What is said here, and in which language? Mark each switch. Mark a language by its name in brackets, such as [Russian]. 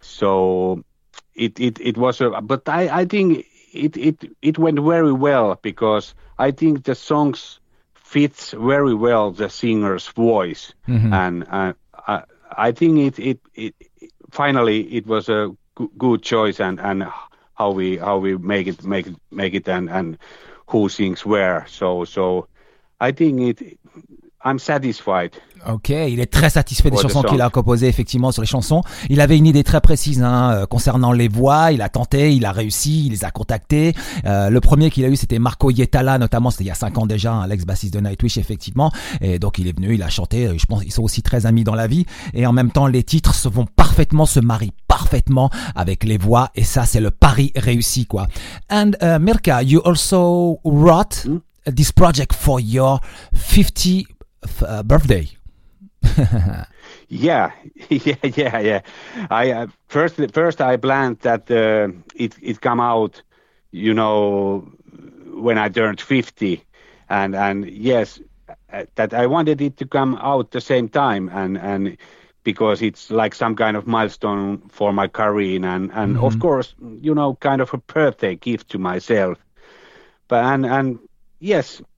[English] So it was but I think it went very well, because I think the songs fits very well the singer's voice. Mm-hmm. And I think it finally it was a good choice, and how we make it and who sings where. So I think I'm satisfied. [French] Ok, il est très satisfait des chansons qu'il a composées, effectivement, sur les chansons. Il avait une idée très précise hein, concernant les voix. Il a tenté, il a réussi, il les a contactés. Le premier qu'il a eu, c'était Marko Hietala, notamment, c'était il y a 5 ans déjà, hein, l'ex-bassiste de Nightwish, effectivement. Et donc, il est venu, il a chanté. Je pense qu'ils sont aussi très amis dans la vie. Et en même temps, les titres se vont parfaitement, se marient parfaitement avec les voix. Et ça, c'est le pari réussi, quoi. [English] And Mirka, you also wrote this project for your 50th birthday. Yeah. I first I planned that it come out, you know, when I turned 50, and yes, that I wanted it to come out the same time, and because it's like some kind of milestone for my career, and mm-hmm. of course, you know, kind of a birthday gift to myself, but yes.